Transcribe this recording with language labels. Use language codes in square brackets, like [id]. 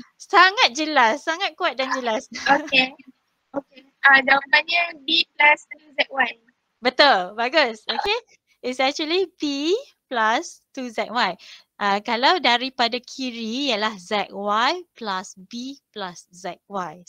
[ms] Sangat jelas, sangat kuat dan jelas. Okay. Jawapannya B plus ZY. Betul, bagus. [en] Okay, it's actually B plus 2ZY. [ms] Kalau daripada kiri ialah ZY plus B plus ZY.